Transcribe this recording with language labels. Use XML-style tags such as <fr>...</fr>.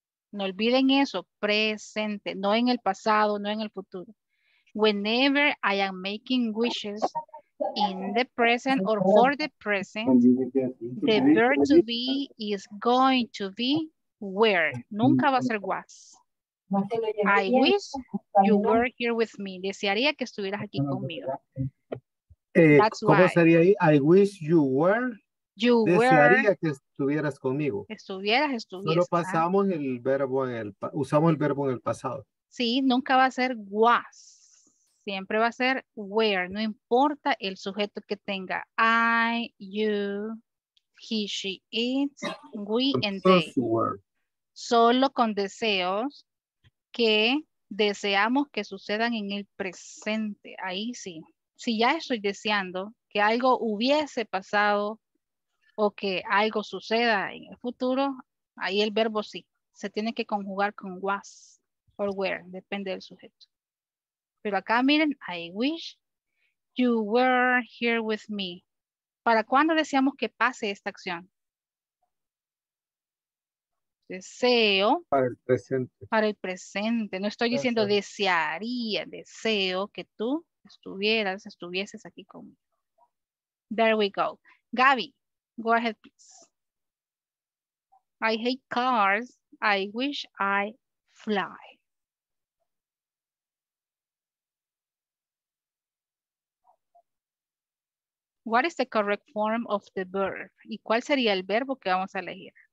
<es>No olviden eso, presente, no en el pasado, no en el futuro.</es> <en>Whenever I am making wishes in the present or for the present, the verb to be is going to be where.</en> <es>Nunca va a ser was.</es> <en>I wish you were here with me.</en> <es>Desearía que estuvieras aquí conmigo.</es> <en>That's ¿cómo why.</en> <es>Sería ahí?</es> <en>I wish you were. You</en> <es>desearía</es> <en>were,</en> <es>que estuvieras conmigo. Estuvieras. Solo pasamos el verbo en el, usamos el verbo en el pasado. Sí, nunca va a ser was. Siempre va a ser where, no importa el sujeto que tenga. I, you,</es> <en>he, she, it, we, and they.</en> <es>Solo con deseos que deseamos que sucedan en el presente. Ahí sí. Si ya estoy deseando que algo hubiese pasado o que algo suceda en el futuro, ahí el verbo sí. Se tiene que conjugar con was or were. Depende del sujeto. Pero acá miren, I wish you were here with me. ¿Para cuándo deseamos que pase esta acción? Deseo. Para el presente. Para el presente. No estoy diciendo desearía. Deseo que tú estuvieras, estuvieses aquí conmigo.</es> <en>There we go. Gaby, go ahead, please. I hate cars. I wish I fly. What is the correct form of the verb?</en> <es>¿Y cuál sería el verbo que vamos a elegir?</es>